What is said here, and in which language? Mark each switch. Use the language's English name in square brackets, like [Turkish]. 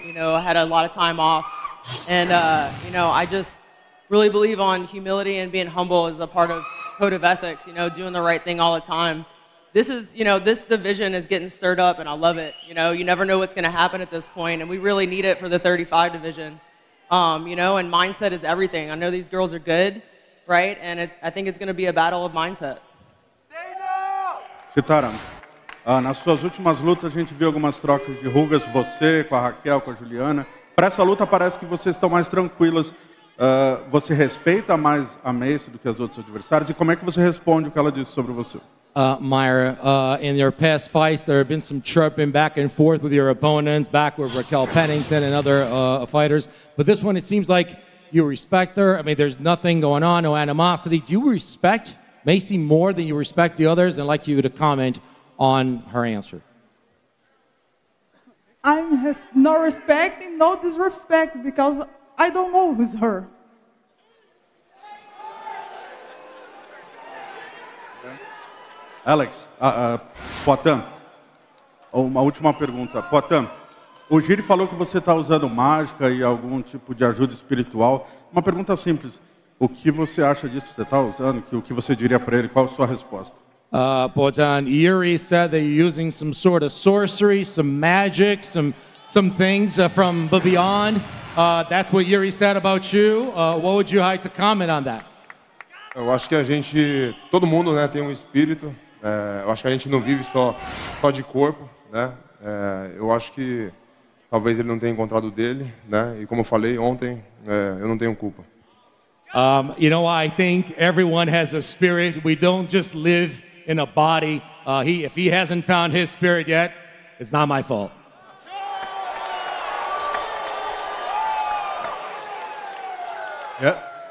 [English] You know, I had a lot of time off and, you know, I just really believe on humility and being humble as a part of code of ethics, you know, doing the right thing all the time. This is, you know, this division is getting stirred up and I love it. You know, you never know what's going to happen at this point and we really need it for the 35 division. You know, and mindset is everything. I know these girls are good, right? And I think it's going to be a battle of mindset. [Portuguese] Chitaram, nas suas últimas lutas, a gente viu algumas trocas de rugas, você com a Raquel, com a Juliana. Para essa luta, parece que vocês estão mais tranquilas. Você respeita mais a Macy do que as outras adversárias? E como é que você responde o que ela disse sobre você? [English] Mayra, in your past fights, there have been some chirping back and forth with your opponents, back with Raquel Pennington and other fighters. But this one, it seems like you respect her. I mean, there's nothing going on, no animosity. Do you respect Macy more than you respect the others? I'd like you to comment on her answer. I'm no respect and no disrespect because I don't know who's her. [Portuguese] Alex, Poitin, uma última pergunta. Poitin, o Jiri falou que você está usando mágica e algum tipo de ajuda espiritual. Uma pergunta simples. O que você acha disso que você está usando? O que você diria para ele? Qual a sua resposta? [English] Poitin, Jiri said that you're using some sort of sorcery, some magic, some things from beyond. That's what Jiri said about you. What would you like to comment on that? [Portuguese] Eu acho que a gente, todo mundo, né, tem espírito. Eu acho que a gente não vive só de corpo, né? Eu acho que talvez ele não tenha encontrado dele, né? E como eu falei ontem, eu não tenho culpa. [English] You know, I think everyone has a spirit. We don't just live in a body. If he hasn't found his spirit yet, it's not my fault. Yeah.